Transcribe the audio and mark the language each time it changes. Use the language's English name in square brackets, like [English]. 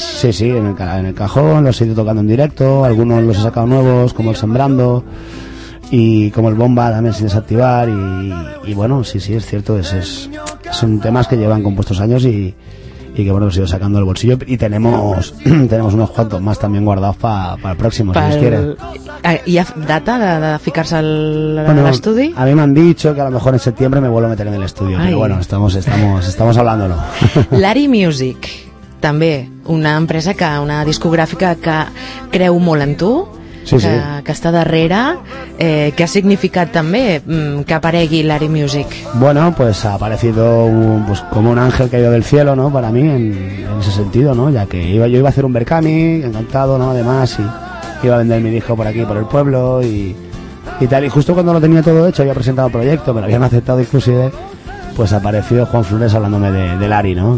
[Spanish] Sí, sí, en el cajón, los he ido tocando en directo, algunos los he sacado nuevos, como el Sembrando, y como el Bomba también sin desactivar, y bueno, sí, sí, es cierto, son temas que llevan compuestos años y que bueno, los he ido sacando del bolsillo, y tenemos unos cuantos más también guardados para el próximo, si Dios quiere. ¿Y data de ficarse al estudio? A mí me han dicho que a lo mejor en septiembre me vuelvo a meter en el estudio. Ay. Pero bueno, estamos hablándolo. [Catalan] Larry Music, també una empresa, que una discogràfica que creu molt en tu. Sí, que, sí. Que està darrere. Què ha significat també que aparegui Larry Music? [Spanish] Bueno, pues ha aparecido pues como un ángel caído del cielo, ¿no? Para mí, en ese sentido, ¿no? Ya que yo iba a hacer un Berkami, encantado, ¿no? Además, y iba a vender mi disco por aquí, por el pueblo y tal. Y justo cuando lo tenía todo hecho, había presentado el proyecto, me lo habían aceptado inclusive, pues apareció Juan Flores hablándome de Larry, ¿no?